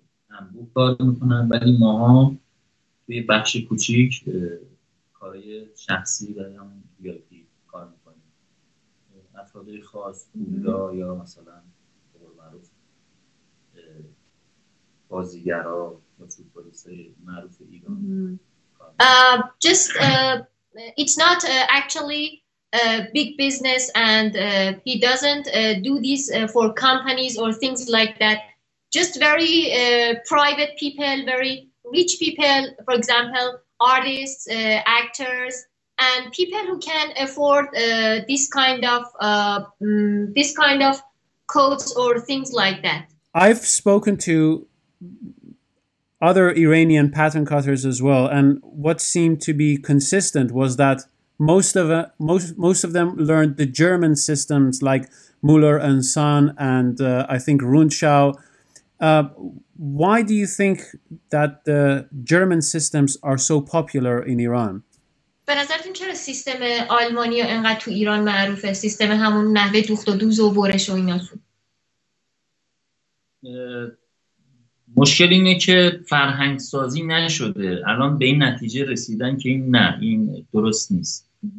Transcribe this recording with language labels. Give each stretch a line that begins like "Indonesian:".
Persian: انبوه کار میکنن، ولی ما ها توی بخش کوچیک کارهای شخصی و هم یادی کار میکنیم، افراده خاص بودا یا مثلا معروف بازیگر ها یا فوتبالیست های معروف ایران.
English: Just it's not actually a big business and he doesn't do this for companies or things like that. Just very private people, very rich people, for example, artists, actors, and people who can afford this kind of coats or things like that. I've spoken to other Iranian pattern cutters as well, and what seemed to be consistent was that most of them learned the German systems like Müller and Son and I think Rundschau. Why do you think that the German systems are so popular in Iran?
Persian: به نظرتون چرا سیستم آلمانی ها اینقدر تو ایران معروفه؟ سیستم همون نحوه دوخت و دوز و برش و اینا سو؟ مشکل اینه که فرهنگ سازی نشده. الان به این نتیجه رسیدن که این نه، این درست نیست.